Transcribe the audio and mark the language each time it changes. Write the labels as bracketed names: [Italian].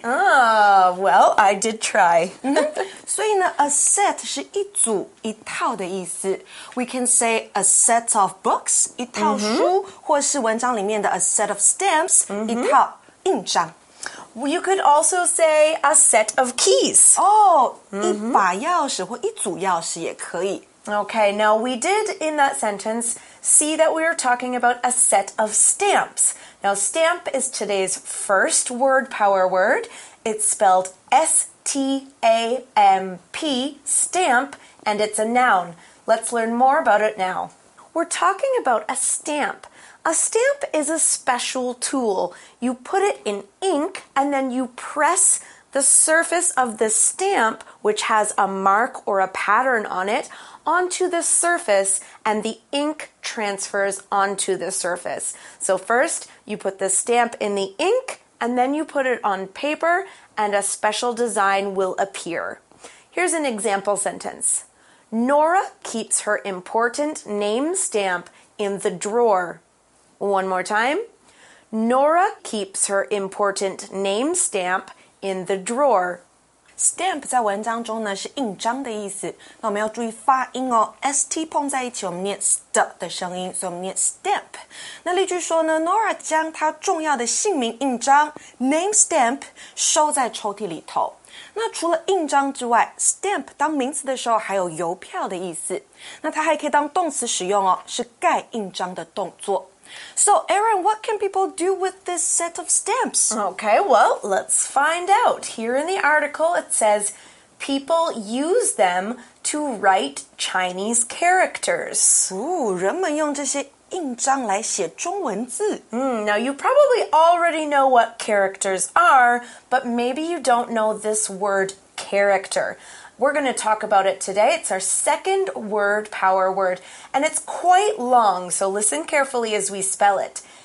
[English] Well, I did try [Chinese] 所以呢 a set 是一组一套的意思 [English] We can say a set of books [Chinese] 一套书、或是文章里面的 [English] a set of stamps、 [Chinese] 一套印章 [English] You could also say a set of keys [Chinese] 一把钥匙或一组钥匙也可以 [English] Okay, now we did in that sentence see that we were talking about a set of stamps. Now, stamp is today's first word power word. It's spelled S-T-A-M-P, stamp, and it's a noun. Let's learn more about it now. We're talking about a stamp. A stamp is a special tool. You put it in ink and then you press the surface of the stamp, which has a mark or a pattern on it,onto the surface, and the ink transfers onto the surface. So first, you put the stamp in the ink, and then you put it on paper, and a special design will appear. Here's an example sentence. Nora keeps her important name stamp in the drawer. One more time. Nora keeps her important name stamp in the drawer. [Chinese] Stamp 在文章中呢是印章的意思，那我们要注意发音哦。 St 碰在一起，我们念 st 的声音，所以我们念 stamp。那例句说呢 ，Nora 将她重要的姓名印章 name stamp 收在抽屉里头。那除了印章之外 ，stamp 当名词的时候还有邮票的意思。那它还可以当动词使用哦，是盖印章的动作。 [English] So, Aaron, what can people do with this set of stamps? Okay, well, let's find out. Here in the article, it says, people use them to write Chinese characters. [Chinese] Ooh, 人们用这些印章来写中文字。 [English] Now, you probably already know what characters are, but maybe you don't know this word character. We're going to talk about it today. It's our second word, power word, and it's quite long, so listen carefully as we spell it.